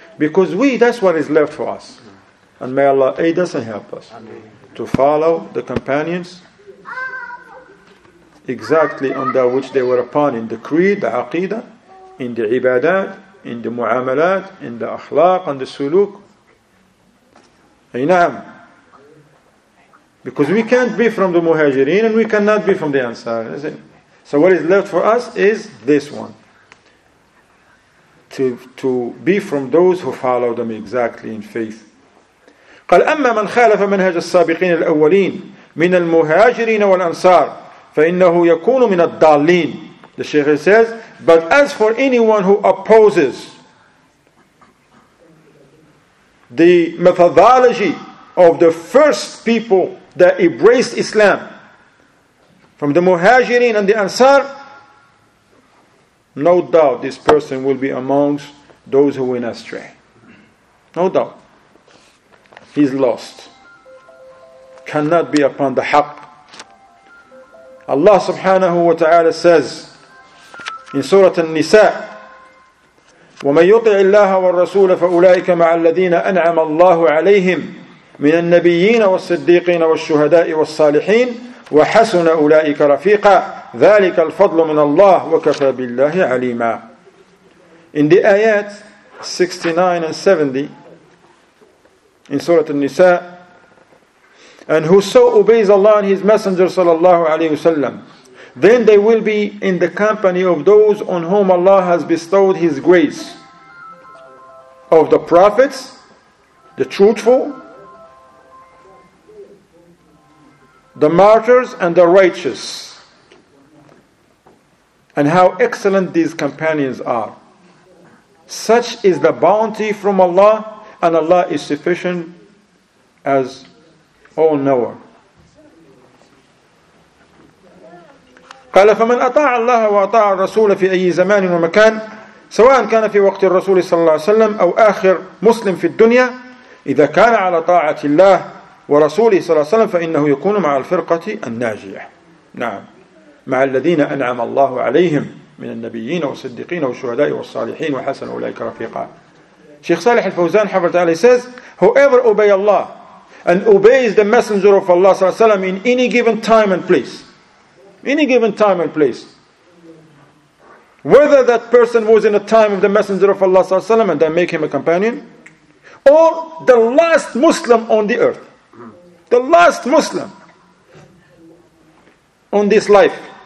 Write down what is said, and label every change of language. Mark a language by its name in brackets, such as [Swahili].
[English] Because we, that's what is left for us. And may Allah aid us and help us to follow the companions exactly under which they were upon, in the creed, the aqidah, in the ibadat, in the mu'amalat, in the akhlaq and the suluk. Aynam. Because we can't be from the muhajirin and we cannot be from the ansar. So what is left for us is this one. To be from those who follow them exactly in faith. [Arabic] قال أما من خالف منهج السابقين الأولين من المهاجرين والأنصار فإنه يكون من الضالين. [English] The Sheikh says, but as for anyone who opposes the methodology of the first people that embraced Islam from the Muhajirin and the Ansar, no doubt this person will be amongst those who went astray. No doubt. He's lost. Cannot be upon the haqq. Allah subhanahu wa ta'ala says in Surah An-Nisa, [Arabic] وَمَنْ يُطِعِ اللَّهَ وَالرَّسُولَ فَأُولَٰئِكَ مَعَ الَّذِينَ أَنْعَمَ اللَّهُ عَلَيْهِمْ مِنَ النَّبِيِّينَ وَالصِّدِّيقِينَ وَالشُّهَدَاءِ وَالصَّالِحِينَ وَحَسُنَ أُولَٰئِكَ رَفِيقًا ذَلِكَ الْفَضْلُ مِنَ اللَّهِ وَكَفَى بِاللَّهِ عَلِيمًا. [English] In the ayat 69 and 70 in Surah An-Nisa, and whoso obeys Allah and His Messenger sallallahu alayhi wasallam, then they will be in the company of those on whom Allah has bestowed His grace, of the prophets, the truthful, the martyrs, and the righteous. And how excellent these companions are. Such is the bounty from Allah, and Allah is sufficient as all knower. [Arabic] قال فمن أطاع الله وأطاع الرسول في أي زمان ومكان سواء كان في وقت الرسول صلى الله عليه وسلم أو آخر مسلم في الدنيا إذا كان على طاعة الله ورسوله صلى الله عليه وسلم فإنه يكون مع الفرقة الناجية. نعم, مع الذين أنعم الله عليهم من النبيين والصديقين والشهداء والصالحين وحسن أولئك رفيقا. شيخ صالح الفوزان حفظ الله [English] says, whoever obey Allah and obeys the messenger of Allah [Arabic] صلى الله عليه وسلم [English] in any given time and place, any given time and place, whether that person was in the time of the Messenger of Allah sallallahu alaihi wasallam and then make him a companion, or the last Muslim on the earth, the last Muslim on this life,